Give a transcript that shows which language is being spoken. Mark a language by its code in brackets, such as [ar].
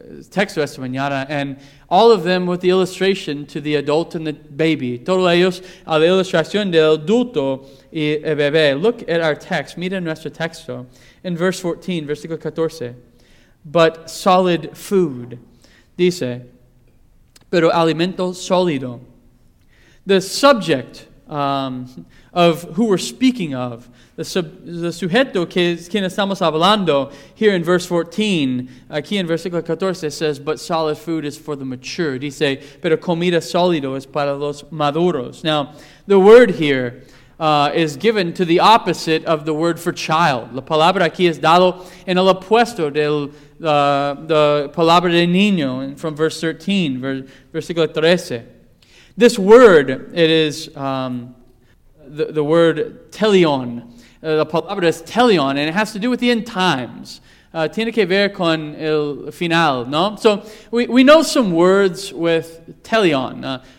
[es] texto esta mañana, [en] and all of them with the illustration to the adult and the baby. [es] Todos ellos a la ilustración del adulto y el bebé. [en] Look at our text. [es] Mira nuestro texto. [en] In verse 14, [es] versículo 14. [en] But solid food. [es] Dice, pero alimento sólido. [en] The subject of who we're speaking of, the [es] sujeto que quien estamos hablando [en] here in verse 14, [es] aquí en versículo 14 [en] says, but solid food is for the mature. [es] Dice, pero comida sólido es para los maduros. [en] Now, the word here is given to the opposite of the word for child. [es] La palabra aquí es dado en el opuesto del the palabra de niño [en] from verse 13, [es] versículo 13. [en] This word, it is the word teleon. The palabra is teleon, and it has to do with the end times. [es] Tiene que ver con el final, ¿no? [en] So we know some words with teleon.